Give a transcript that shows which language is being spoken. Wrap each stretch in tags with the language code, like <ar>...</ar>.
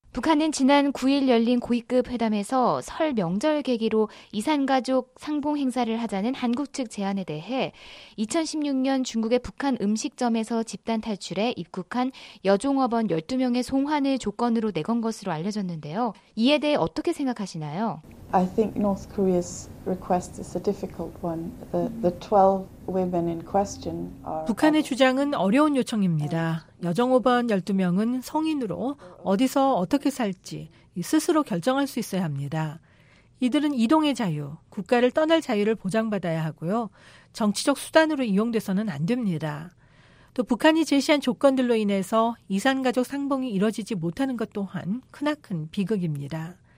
<ko>북한은 지난 9일 열린 고위급 회담에서 설 명절 계기로 이산가족 상봉 행사를 하자는 한국 측 제안에 대해 2016년 중국의 북한 음식점에서 집단 탈출해 입국한 여종업원 12명의 송환을 조건으로 내건 것으로 알려졌는데요. 이에 대해 어떻게 생각하시나요?</ko> <en>I think North Korea's request is a difficult one. The 12 women in question are</en> <ko>북한의 주장은 어려운 요청입니다. 여정업원 12명은 성인으로 어디서 어떻게 살지 스스로 결정할 수 있어야 합니다. 이들은 이동의 자유, 국가를 떠날 자유를 보장받아야 하고요. 정치적 수단으로 이용돼서는 안 됩니다. 또 북한이 제시한 조건들로 인해서 이산가족 상봉이 이뤄지지 못하는 것 또한 크나큰 비극입니다.</ko>